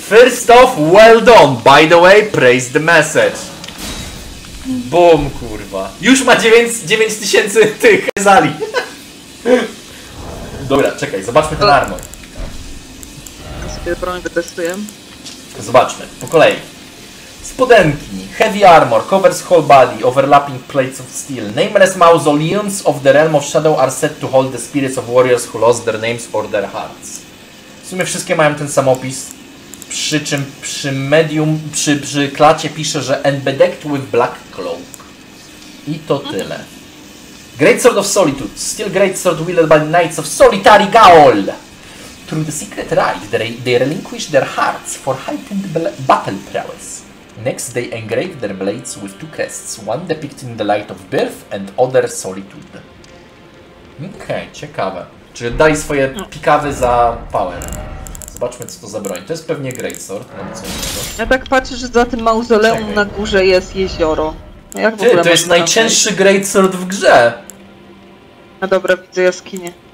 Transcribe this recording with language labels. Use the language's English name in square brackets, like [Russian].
[English] First off, well done! By the way, praise the message! [Polish] Bum, kurwa. Już ma 9 tysięcy tych zali. Dobra, czekaj, zobaczmy ten armor. Ja sobie broń wytestuję. Zobaczmy, po kolei. Spodenki, [English] heavy armor, covers whole body, overlapping plates of steel, nameless mausoleums of the realm of shadow are set to hold the spirits of warriors who lost their names or their hearts. [Polish] W sumie wszystkie mają ten sam opis. Przy czym przy medium, przy klacie pisze, że [English] and bedecked with black cloak. [Polish] I to tyle. Great Sword of Solitude. [English] Still great sword wielded by knights of solitary Gaol. Through the secret rite, they relinquish their hearts for heightened battle prowess. Next, they engrave their blades with two crests. One depicting the light of birth and other solitude. [Polish] Okej, ciekawe. Czyli daj swoje pikawy za power. Zobaczmy, co to za broń. To jest pewnie greatsword. Ja tak patrzę, że za tym mauzoleum na górze jest jezioro. Jak w ogóle to jest najcięższy greatsword w grze. No dobra, widzę jaskinię.